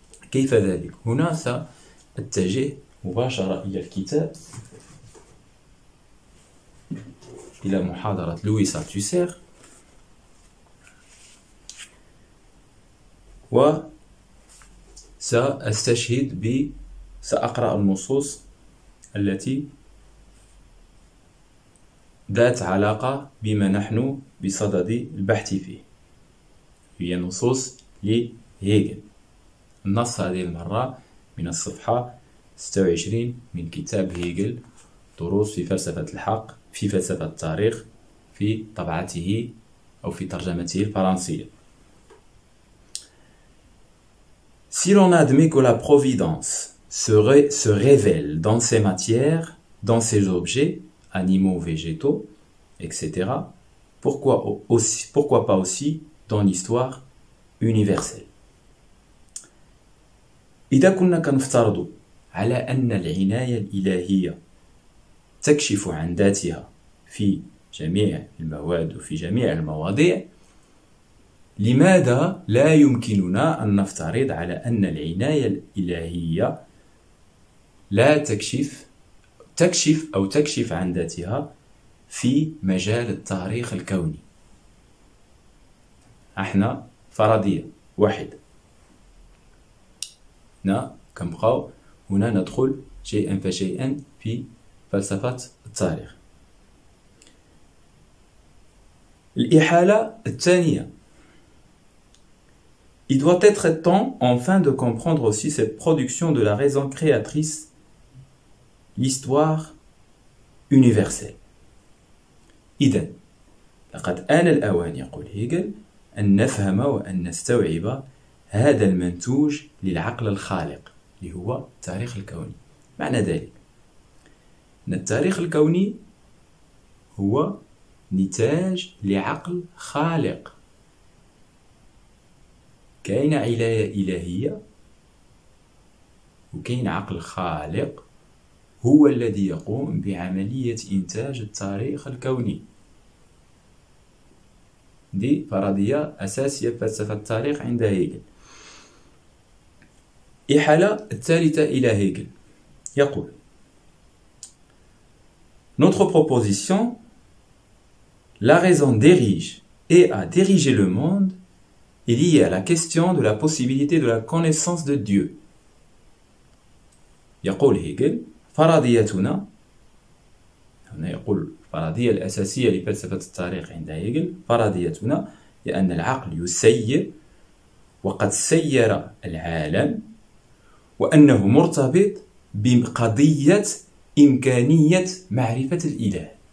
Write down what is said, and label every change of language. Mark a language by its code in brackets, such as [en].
[ar] كيف ذلك؟ هنا سأتجه مباشرة إلى الكتاب، إلى محاضرة لويس ألتوسير، و سأستشهد ب سأقرأ النصوص التي ذات علاقة بما نحن بصدد البحث فيه، هي نصوص لهيجل. النص هذه المرة من الصفحة 26 من كتاب هيجل، دروس في فلسفة الحق في فلسفة التاريخ، في طبعته أو في ترجمته الفرنسية. [fr] Si l'on admet que la providence se révèle dans ces matières, dans ces objets, animaux, végétaux, etc., pourquoi pas aussi dans l'histoire universelle. [ar] إذا كنا كنفترض على أن العناية الإلهية تكشف عن ذاتها في جميع المواد وفي جميع المواضيع، لماذا لا يمكننا أن نفترض على أن العناية الإلهية لا تكشف عن ذاتها في مجال التاريخ الكوني؟ احنا فرضية واحد نا كم قاو هنا ندخل شيئا فشيئا في فلسفة التاريخ. الإحالة الثانية، [fr] il doit être temps enfin de comprendre aussi cette production de la raison créatrice, l'histoire universelle. [ar] إذن لقد آن الأوان، يقول هيجل، أن نفهم وأن نستوعب هذا المنتوج للعقل الخالق اللي هو التاريخ الكوني. معنى ذلك أن التاريخ الكوني هو نتاج لعقل خالق، كاين علاية إلهية وكاين عقل خالق هو الذي يقوم بعملية إنتاج التاريخ الكوني. دي فرضية أساسية في فلسفة التاريخ عند هيجل. إحالة الثالثة إلى هيجل، يقول [fr] notre proposition la raison dirige et a dirigé le monde est liée à la question de la possibilité de la connaissance de Dieu. [ar] يقول هيجل فرضيتنا، هنا يقول الفرضية الأساسية لفلسفة التاريخ عند هيجل، فرضيتنا هي أن العقل يسير وقد سير العالم، وأنه مرتبط بقضية إمكانية معرفة الإله.